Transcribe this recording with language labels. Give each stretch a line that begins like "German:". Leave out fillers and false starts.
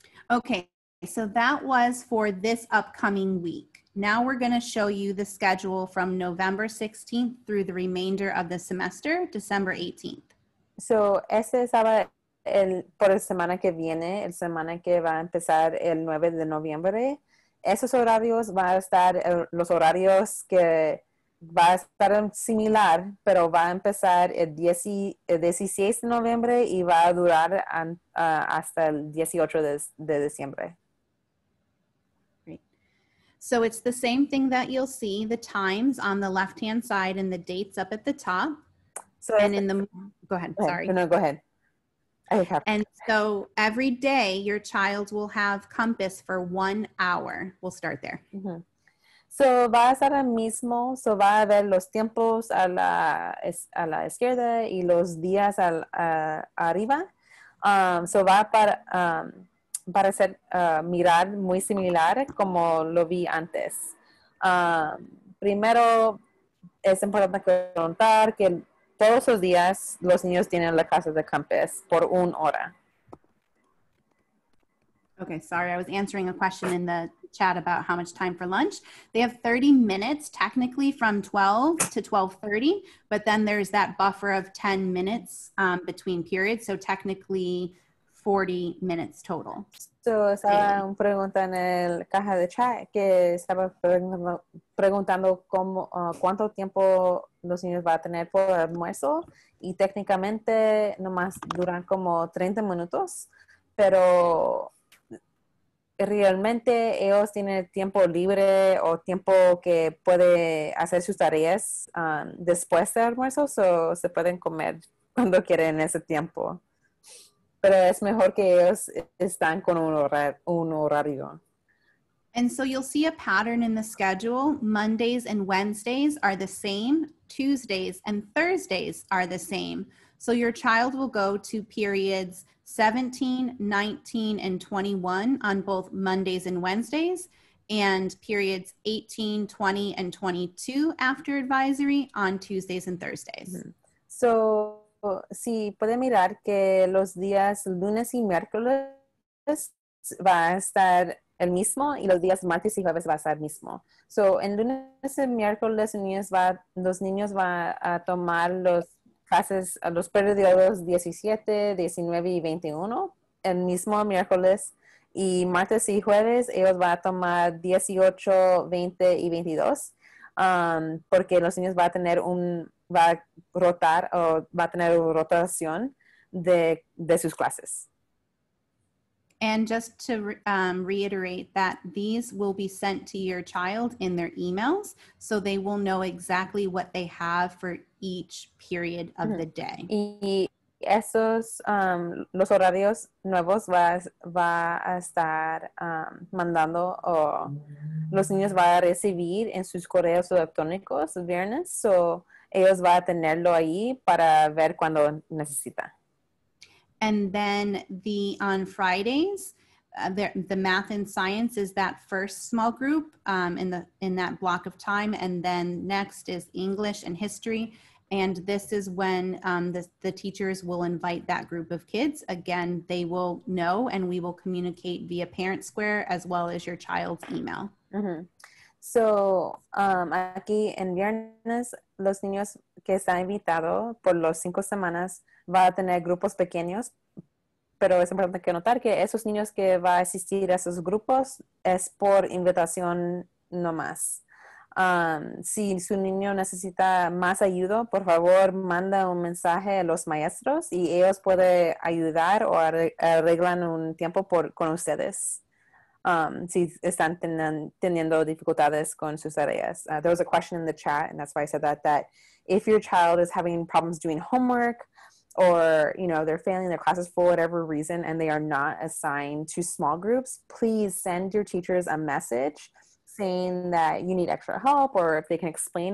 English: Okay, so that was for this upcoming week. Now we're going to show you the schedule from November 16th through the remainder of the semester, December 18th.
Spanish: So, ese estaba por la semana que viene, la semana que va a empezar el 9 de noviembre. Esos horarios van a estar, los horarios que va a estar similar, pero va a empezar el 16 de noviembre y va a durar hasta el 18 de diciembre.
English: Great. So it's the same thing that you'll see, the times on the left-hand side and the dates up at the top. So and in the, go ahead, sorry. No, go ahead. I have. And so every day your child will have compass for 1 hour. We'll start there. Mm-hmm.
Spanish: So, va a ser el mismo, so va a ver los tiempos a la izquierda y los días arriba. So, va a parecer mirar muy similar como lo vi antes. Primero, es importante preguntar que todos los días los niños tienen la clase de campus por una hora.
English: Okay, sorry, I was answering a question in the chat about how much time for lunch. They have 30 minutes technically from 12 to 12:30, but then there's that buffer of 10 minutes between periods, so technically 40 minutes total.
Spanish: So, estaba preguntando en el caja de chat que estaba preguntando cómo cuánto tiempo los niños va a tener por almuerzo y técnicamente nomás duran como 30 minutos, pero realmente ellos tienen tiempo libre o tiempo que puede hacer sus tareas después del almuerzo, o so se pueden comer cuando quieren en ese tiempo. Pero es mejor que ellos están con un horario.
English: And so you'll see a pattern in the schedule. Mondays and Wednesdays are the same. Tuesdays and Thursdays are the same. So your child will go to periods 17, 19, and 21 on both Mondays and Wednesdays, and periods 18, 20, and 22 after advisory on Tuesdays and Thursdays. Mm-hmm.
Spanish: So, sí, puede mirar que los días lunes y miércoles va a estar el mismo y los días martes y jueves va a estar el mismo. So, en lunes y miércoles los niños van a tomar los clases a los periodos 17, 19 y 21 el mismo miércoles, y martes y jueves ellos van a tomar 18, 20 y 22 porque los niños va a tener una rotación de sus clases.
English: And just to reiterate that these will be sent to your child in their emails, so they will know exactly what they have for each period of mm-hmm. the day.
Spanish: Y esos, los horarios nuevos va a estar mandando, o los niños va a recibir en sus correos electrónicos viernes, so ellos va a tenerlo ahí para ver cuando necesita.
English: And then on Fridays, the math and science is that first small group in that block of time. And then next is English and history. And this is when the teachers will invite that group of kids. Again, they will know, and we will communicate via Parent Square as well as your child's email. Mm-hmm.
Spanish: So, aquí en viernes, los niños que están invitados por los 5 semanas va a tener grupos pequeños, pero es importante que notar que esos niños que va a asistir a esos grupos es por invitación nomás. Si su niño necesita más ayuda, por favor, manda un mensaje a los maestros y ellos pueden ayudar o arreglan un tiempo con ustedes si están teniendo dificultades con sus tareas.
English: There was a question in the chat, and that's why I said that if your child is having problems doing homework, or, you know, they're failing their classes for whatever reason and they are not assigned to small groups, please send your teachers a message saying that you need extra help or if they can explain.